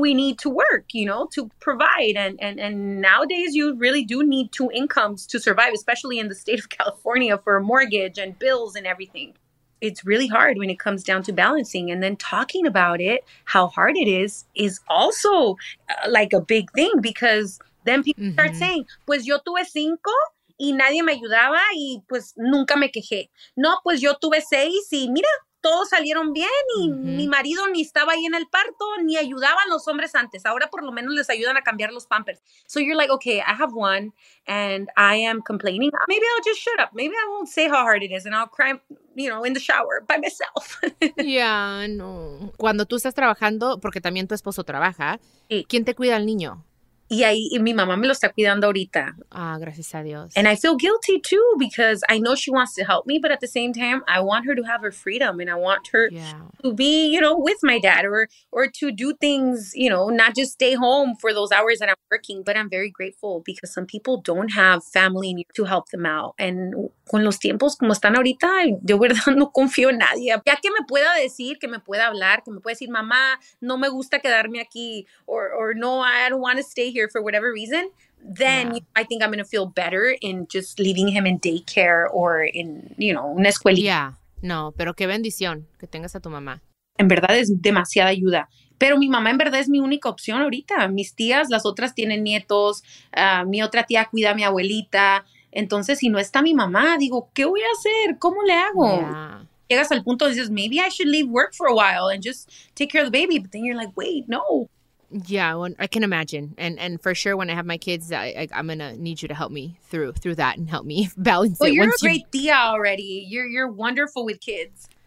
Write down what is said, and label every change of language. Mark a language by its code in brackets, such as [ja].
[en] we need to work, you know, to provide. And nowadays, you really do need two incomes to survive, especially in the state of California for a mortgage and bills and everything. It's really hard when it comes down to balancing. And then talking about it, how hard it is also like a big thing, because then people mm-hmm. start saying, [es] pues yo tuve cinco. Y nadie me ayudaba y pues nunca me quejé. No, pues yo tuve seis y mira, todos salieron bien y mm-hmm. mi marido ni estaba ahí en el parto ni ayudaban los hombres antes. Ahora por lo menos les ayudan a cambiar los pampers. [en] So you're like, okay, I have one and I am complaining. Maybe I'll just shut up. Maybe I won't say how hard it is and I'll cry, you know, in the shower by myself. Yeah, no. [es] Cuando tú estás trabajando, porque también tu esposo trabaja, sí. ¿Quién te cuida al niño? Y ahí y mi mamá me lo está cuidando ahorita. Ah, gracias a Dios. [en] And I feel guilty too because I know she wants to help me, but at the same time, I want her to have her freedom and I want her yeah. to be, you know, with my dad or to do things, you know, not just stay home for those hours that I'm working. But I'm very grateful because some people don't have family to help them out. [es] And con los tiempos como están ahorita, de verdad no confío en nadie. Ya que me pueda decir, que me pueda hablar, que me pueda decir, mamá, no me gusta quedarme aquí [en] or no, I don't want to stay here for whatever reason, then yeah. you know, I think I'm going to feel better in just leaving him in daycare or in, you know, [es] una escuelita. Yeah, no, pero qué bendición que tengas a tu mamá. En verdad es demasiada ayuda. Pero mi mamá en verdad es mi única opción ahorita. Mis tías, las otras tienen nietos. Mi otra tía cuida a mi abuelita. Entonces, si no está mi mamá, digo, ¿qué voy a hacer? ¿Cómo le hago? Yeah. Llegas al punto, dices, [en] maybe I should leave work for a while and just take care of the baby. But then you're like, wait, no. Yeah, well, I can imagine. And for sure, when I have my kids, I'm going to need you to help me through that and help me balance well, it. Well, you're a great tía already. You're wonderful with kids.